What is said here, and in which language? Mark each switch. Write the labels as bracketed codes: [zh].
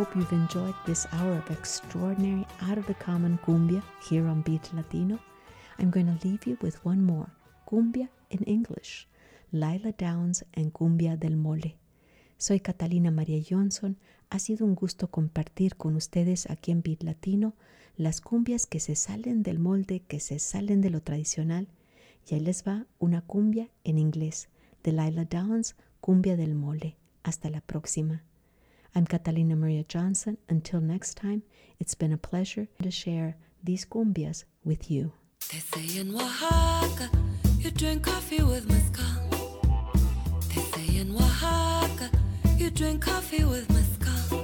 [en] Enjoyed this hour of extraordinary out of the common cumbia here on Beat Latino. I'm going to leave you with one more, cumbia in English, Lila Downs and Cumbia del Mole. [es] Soy Catalina María Johnson. Ha sido un gusto compartir con ustedes aquí en Beat Latino las cumbias que se salen del molde, que se salen de lo tradicional. Y ahí les va una cumbia en inglés, de Lila Downs, Cumbia del Mole. Hasta la próxima. [en] I'm Catalina Maria Johnson. Until next time, it's been a pleasure to share these cumbias with you. They say in Oaxaca, you drink coffee with mezcal. They say in Oaxaca, you drink coffee with mezcal.